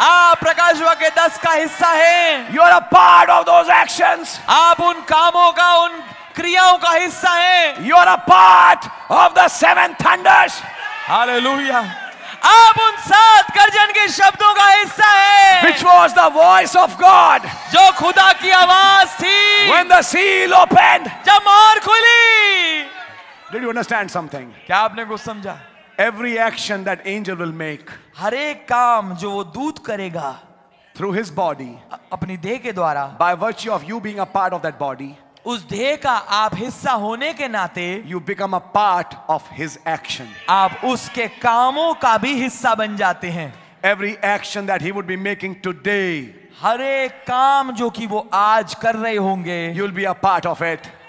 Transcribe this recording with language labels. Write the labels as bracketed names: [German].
[Hindi] आप प्रकाश के 10 का हिस्सा हैं. [English] you are a part of those actions, [Hindi] आप उन कामों का, उन क्रियाओं का हिस्सा हैं. [English] You are a part of the 7 thunders. [Hindi] Hallelujah. आप उन सात गर्जन के शब्दों का हिस्सा है. [English] Which was the voice of God, [Hindi] जो खुदा की आवाज थी. [English] When the seal opened, [Hindi] जब मोहर खुली. [English] Did you understand something? [Hindi] क्या आपने कुछ समझा? [English] Every action that angel will make, [Hindi] हर एक काम जो वो दूत करेगा, [English] through his body, [Hindi] अपनी देह के द्वारा, [English] by virtue of you being a part of that body, [Hindi] उस देह का आप हिस्सा होने के नाते, [English] you become a part of his action, [Hindi] आप उसके कामों का भी हिस्सा बन जाते हैं. [English] every action that he would be making today, [Hindi] हर एक काम जो कि वो आज कर रहे होंगे, [English] you will be a part of it,